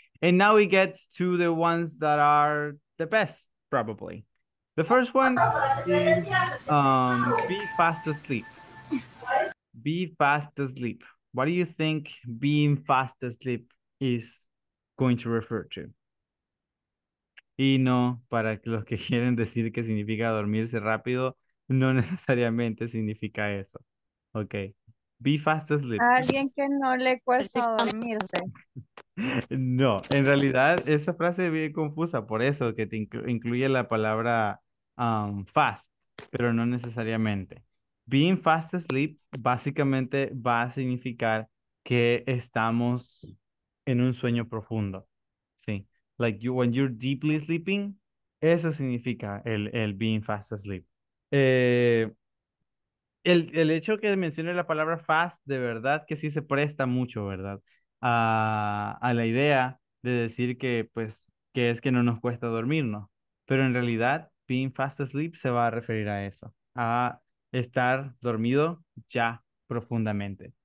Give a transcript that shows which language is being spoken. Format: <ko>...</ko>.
<en>And now we get to the ones that are the best, probably. The first one is be fast asleep. Be fast asleep. What do you think being fast asleep is going to refer to?</en> <es>Y no, para los que quieren decir que significa dormirse rápido, no necesariamente significa eso.</es> <en>Okay. Be fast asleep.</en> <es>Alguien que no le cuesta dormirse. No, en realidad esa frase es bien confusa, por eso que te incluye la palabra fast, pero no necesariamente.</es> <en>Being fast asleep</en> <es>básicamente va a significar que estamos en un sueño profundo, ¿sí?</es> <en>Like you, when you're deeply sleeping,</en> <es>eso significa el</es> <en>being fast asleep.</en> <es>El hecho que mencione la palabra fast, de verdad que sí se presta mucho, ¿verdad? A la idea de decir que pues que es que no nos cuesta dormirnos, pero en realidad</es> <en>being fast asleep</en> <es>se va a referir a eso, a estar dormido ya profundamente.</es>